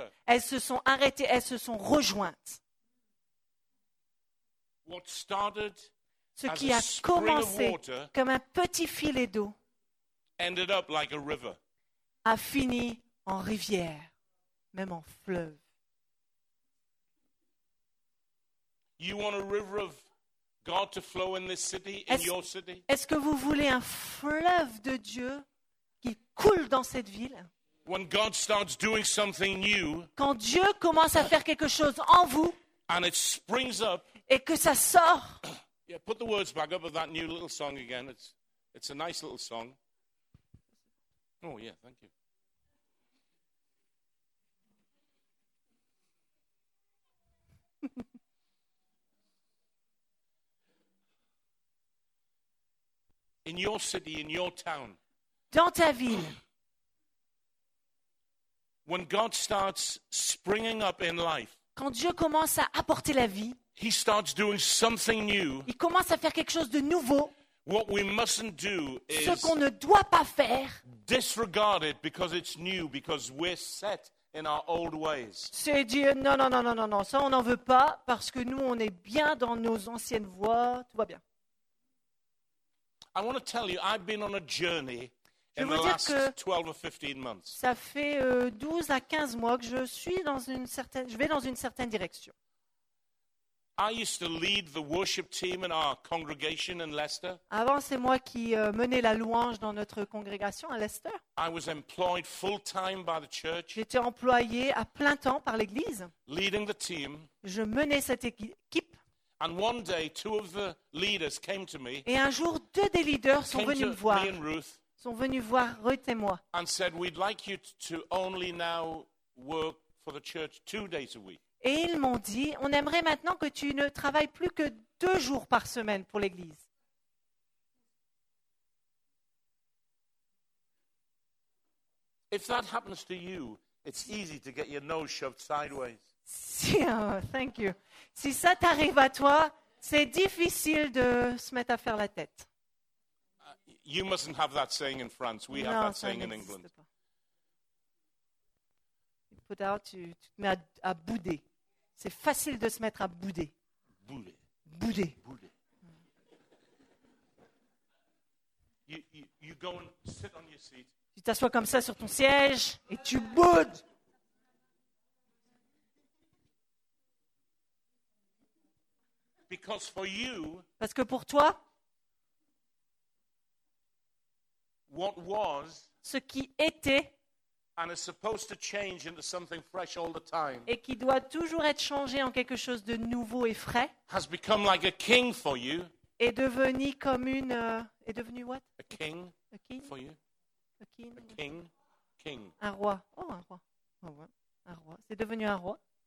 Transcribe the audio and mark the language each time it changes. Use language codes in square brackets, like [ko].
[fr] elles se sont arrêtées, elles se sont rejointes. Ce qui a commencé comme un petit filet d'eau a fini en rivière, même en fleuve. [en] You want a river of God to flow in this city, in your city? [fr] Est-ce que vous voulez un fleuve de Dieu qui coule dans cette ville? [en] When God starts doing something new, [fr] quand Dieu commence à faire quelque chose en vous, [en] and it springs up, [fr] et que ça sort. [en] Yeah, put the words back up of that new little song again. It's a nice little song. Oh yeah, thank you. In your city, in your town. [fr] Dans ta ville. [en] When God starts springing up in life. [fr] Quand Dieu commence à apporter la vie. [en] He starts doing something new. [fr] Il commence à faire quelque chose de nouveau. [en] What we mustn't do is. [fr] Ce qu'on ne doit pas faire. [en] Disregard it because it's new, because we're set in our old ways. [fr] C'est dire non, ça on n'en veut pas parce que nous on est bien dans nos anciennes voies, tout va bien. [en] I want to tell you, I've been on a journey in the last 12 or 15 months. [fr] Ça fait 12 à 15 mois que je suis dans une certaine, je vais dans une certaine direction. [en] I used to lead the worship team in our congregation in Leicester. [fr] Avant, c'est moi qui menais la louange dans notre congrégation à Leicester. [en] I was employed full-time by the church. [fr] J'étais employé à plein temps par l'église. [en] Leading the team. [fr] Je menais cette équipe. [en] And one day, two of the leaders came to me. [fr] Et un jour, deux des leaders sont venus me voir. [en] Me and Ruth, [fr] sont venus voir Ruth et moi. [en] And said, "We'd like you to only now work for the church 2 days a week." [fr] Et ils m'ont dit, "On aimerait maintenant que tu ne travailles plus que 2 jours par semaine pour l'église." [en] If that happens to you, it's easy to get your nose shoved sideways. Si, thank you. [fr] Si ça t'arrive à toi, c'est difficile de se mettre à faire la tête. [en] You mustn't have that saying in France. We [fr] non, [en] have that saying in England. [fr] Pas. [en] Put out, [fr] tu te mets à bouder. C'est facile de se mettre à bouder. Bouder. [en] You go and sit on your seat. [fr] Tu t'assois comme ça sur ton siège et tu boudes. [en] Because for you, [fr] parce que pour toi, [en] what was, [fr] ce qui était, [en] and is supposed to change into something fresh all the time, [fr] et qui doit toujours être changé en quelque chose de nouveau et frais, [en] has become like a king for you, [fr] est devenu comme une, est devenu what? [en] A king. A king for you. A king. A king. King. [fr] Un roi. Oh, un roi. Oh, ouais. Un roi. C'est devenu un roi.